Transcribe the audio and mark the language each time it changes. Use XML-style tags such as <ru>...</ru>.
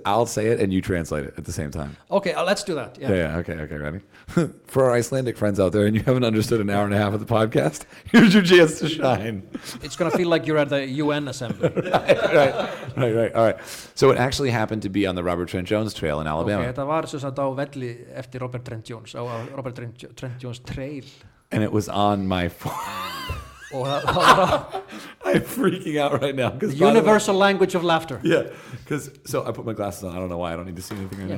<en>I'll say it and you translate it at the same time. Okay, let's do that. Yeah. Okay, ready? For our Icelandic friends out there and you haven't understood an hour and a half of the podcast, here's your chance to shine. It's going to feel like you're at the UN assembly. right. All right. So it actually happened to be on the Robert Trent Jones Trail in Alabama.</en> <is>Okay, það var svo sagt á velli eftir Robert Trent Jones, á Robert Trent Jones Trail.</is> <en>And it was on my phone. I'm freaking out right now. Universal language of laughter. Yeah, because so I put my glasses on. I don't know why. I don't need to see anything right now.</en>